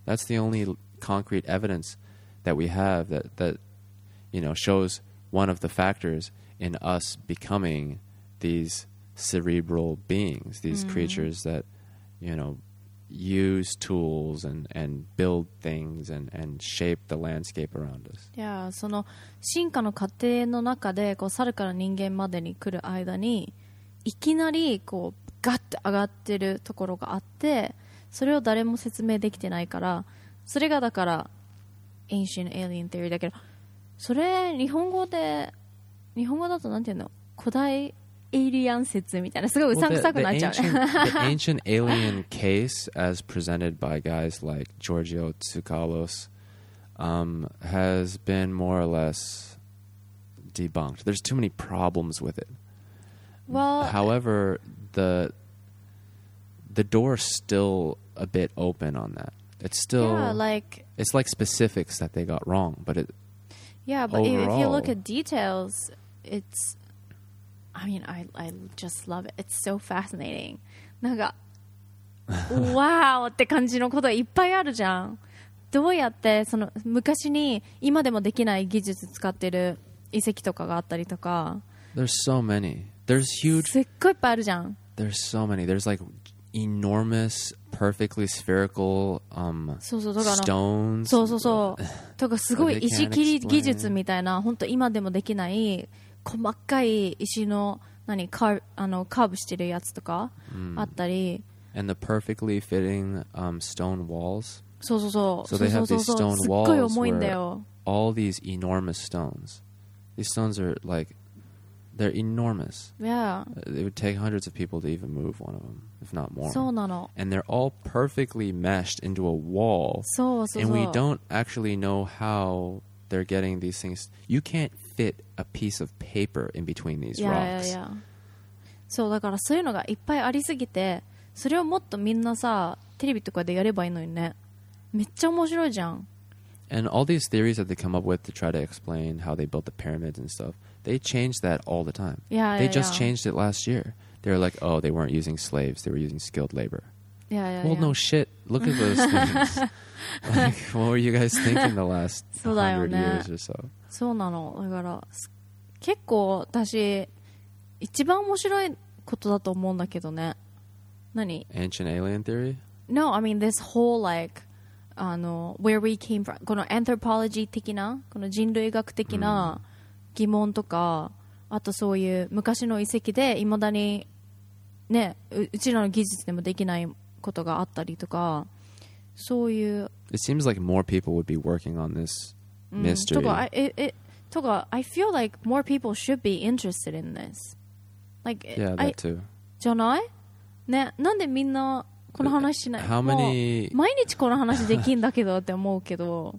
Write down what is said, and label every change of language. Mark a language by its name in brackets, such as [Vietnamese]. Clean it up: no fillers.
[English] That's the only concrete evidence that we have that you know shows one of the factors in us becoming these cerebral beings, these mm-hmm. creatures that, you know, use tools and build things and shape the landscape around us. [Japanese] Yeah, その進化の過程の中でこう猿から人間までに来る間にいきなりこうガッて上がってるところがあってそれを誰も説明できてないからそれがだから Ancient Alien Theory だけどそれ日本語だとなんていうの古代エイリアン説みたいなすごいうさんくさくなっちゃう [English] the ancient alien case as presented by guys like Giorgio Tsoukalos has been more or less debunked. There's too many problems with it. Well, however, the door's still a bit open on that. It's still it's like specifics that they got wrong, but it yeah, but overall, if you look at details, it's I mean, I just love it. It's so fascinating. [Japanese] なんか、 [English] wow! [Japanese] って感じのことがいっぱいあるじゃん。どうやってその昔に今でもできない技術使ってる遺跡とかがあったりとか。 [English] There's so many. There's huge. [Japanese] すっごいいっぱいあるじゃん。 [English] There's so many. There's like enormous, perfectly spherical [Japanese] そうそうとかの [English] stones. [Japanese] そうそうそう。とかすごい石切り技術みたいな、本当今でもできない。細かい石の何カーブあのカーブしてるやつとかあったり、 [English] and the perfectly fitting stone walls. [Japanese] そうそうそう。 [English] So they have these stone walls. [Japanese] すっごい重いんだよ。 [English] All these enormous stones. These stones are like they're enormous. Yeah. It would take hundreds of people to even move one of them, if not more. [Japanese] そうなの。 [English] And they're all perfectly meshed into a wall. [Japanese] そうそうそう。 [English] And we don't actually know how they're getting these things. You can't. Fit a piece of paper in between these yeah, rocks. Yeah, yeah, yeah. [Japanese] そうだからそういうのがいっぱいありすぎて、それをもっとみんなさテレビとかでやればいいのにね。めっちゃ面白いじゃん。 [English] And all these theories that they come up with to try to explain how they built the pyramids and stuff, they change that all the time. Yeah, they just changed it last year. They were like, oh, they weren't using slaves; they were using skilled labor. Yeah, yeah. Well, yeah. no shit. Look at those things. like, what were you guys thinking the last 100 years or so? [Japanese] そうなのだから結構私一番面白いことだと思うんだけどね何 [English] Ancient Alien Theory? No, I mean this whole like あの Where we came from この Anthropology 的な [Japanese] この人類学的な疑問とか、 [English] mm. [Japanese] あとそういう昔の遺跡で未だにねうちらの技術でもできないことがあったりとかそういう [English] It seems like more people would be working on thisMystery. Toga, I feel like more people should be interested in this. Like, yeah, that too. [Japanese] Janai? Ne, nande minna kono hanashi shinai? [English] How many? [Japanese] Mainichi kono hanashi dekin da kedo って思うけど.